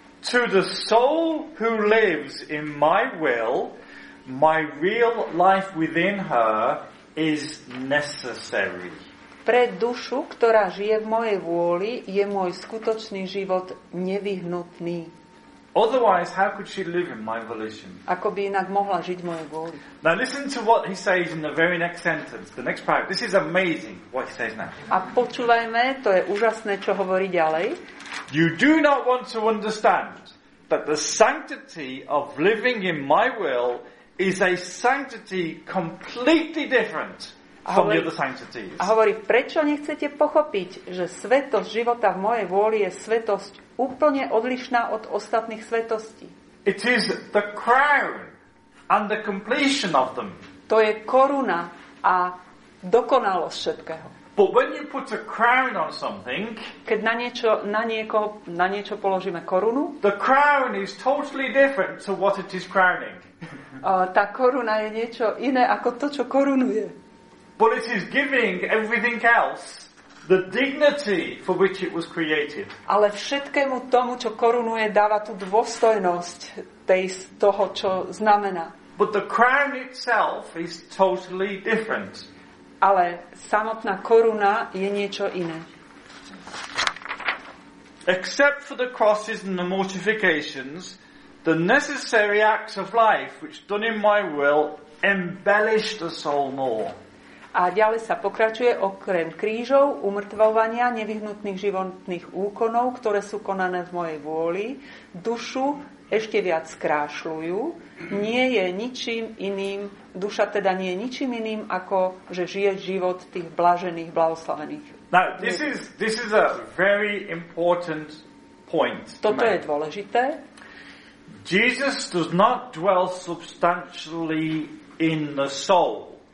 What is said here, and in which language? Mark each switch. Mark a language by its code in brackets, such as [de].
[en] To the soul who lives in my will, my real life within her is necessary. [sk] Pre dušu, ktorá žije v mojej vôli, je môj skutočný život nevyhnutný. [en] Otherwise, how could she live in my volition? [sk] Ako by inak mohla žiť v mojej vôli? [en] Now listen to what he says in the very next sentence, the next paragraph. This is amazing what he says now. [sk] A počúvajme, to je úžasné, čo hovorí ďalej. [en] You do not want to understand that the sanctity of living in my will is a sanctity completely different [sk] hovorí, [en] the sanctity is. [sk] A hovorí, prečo nechcete pochopiť, že svetosť života v mojej vôli je svetosť úplne odlišná od ostatných svetostí? [en] It is the crown and the completion of them. [sk] To je koruna a dokonalosť všetkého. [en] But when you put a crown on something, [sk] keď na niečo, na nieko, na niečo položíme korunu, [en] the crown is totally different to what it is crowning. [sk] Tá koruna je niečo iné ako to, čo korunuje. [en] But it is giving everything else the dignity for which it was created. [sk] Ale všetkému tomu, čo korunuje, dáva tú dôstojnosť tej, toho, čo znamená. [en] But the crown itself is totally different. [sk] Ale samotná koruna je niečo iné. [en] Except for the crosses and the mortifications, the necessary acts of life which done in my will embellish the soul more. [sk] A ďalej sa pokračuje, okrem krížov, umrtvovania, nevyhnutných životných úkonov, ktoré sú konané v mojej vôli, dušu ešte viac skrášľujú. Nie je ničím iným, duša teda nie je ničím iným, ako že žije život tých blažených, blahoslavených. [en] Now, this is a very important point. [sk] Toto je dôležité. [en] Jesus does not dwell substantially in the soul.